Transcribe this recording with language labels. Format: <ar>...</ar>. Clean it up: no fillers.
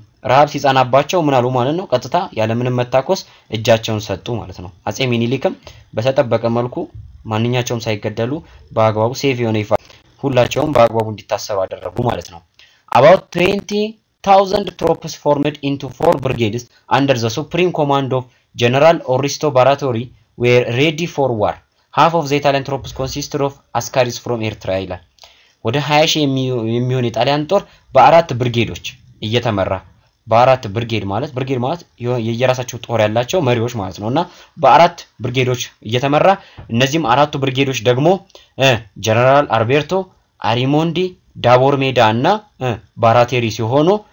<am>ረሃብ ሲጻናባቸው ምን አሉ ማለት ነው ቀጥታ ያለምንም መታኮስ እጃቸውን ሰጡ ማለት ነው። አጼ ሚኒሊክም በተጠበቀ መልኩ ማንኛቸውም ሳይገደሉ በአግባቡ ሴቭ የሆነ ይፋ ሁላቸውም በአግባቡ እንዲታሰሩ አደረጉ ማለት ነው።</am> <en>About 20,000 troops formed into four brigades under the supreme command of General Oristo Baratori were ready for war. Half of the Italian troops consisted of askaris from Eritrea.</en> <am>ወደ 20000 የሚሆን የጣሊያን ጦር በአራት ብርጌዶች እየተመራ በአራት ብርጌድ ማለት የየራሳቸው ጦር ያላቸው መሪዎች ማለት ነውና በአራት ብርጌዶች እየተመራ እነዚህም አራቱ ብርጌዶች ደግሞ ጀነራል አርቤርቶ አሪሞንዲ ዳቦር ሜዳ እና ባራቴሪ ሲሆኑ</am>